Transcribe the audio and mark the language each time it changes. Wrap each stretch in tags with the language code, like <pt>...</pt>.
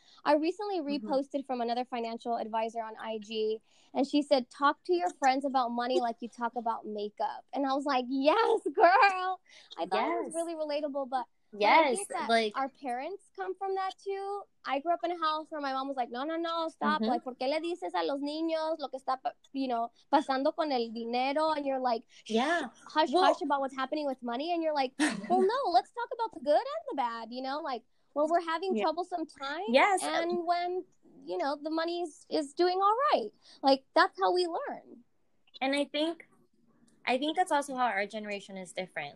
<en>I recently reposted from another financial advisor on IG, and she said, talk to your friends about money like you talk about makeup. And I was like, yes, girl. I thought it was really relatable, but yes, like our parents come from that too. I grew up in a house where my mom was like, no, stop. Mm-hmm.</en> <es>Like, ¿por qué le dices a los niños lo que está,</es> <en>you know,</en> <es>pasando con el dinero?</es> <en>And you're like, hush about what's happening with money. And you're like, well, no, let's talk about the good and the bad, you know, like, well, we're having troublesome times. Yes. And when, you know, the money is doing all right. Like, that's how we learn. And I think that's also how our generation is different.</en>